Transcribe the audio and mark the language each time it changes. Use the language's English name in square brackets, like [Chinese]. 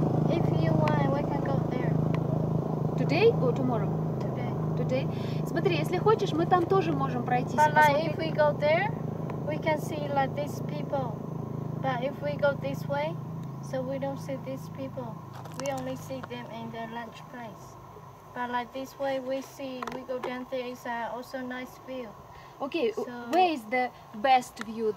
[English] If you want, we can go there. Today or tomorrow? Today. [Russian] Смотри, если хочешь, мы там тоже можем пройти. [English] But like, if we go there. We can see like these people, but if we go this way, so we don't see these people. We only see them in the lunch place. But like this way, we go down there. It's also nice view. Okay, so where is the best view?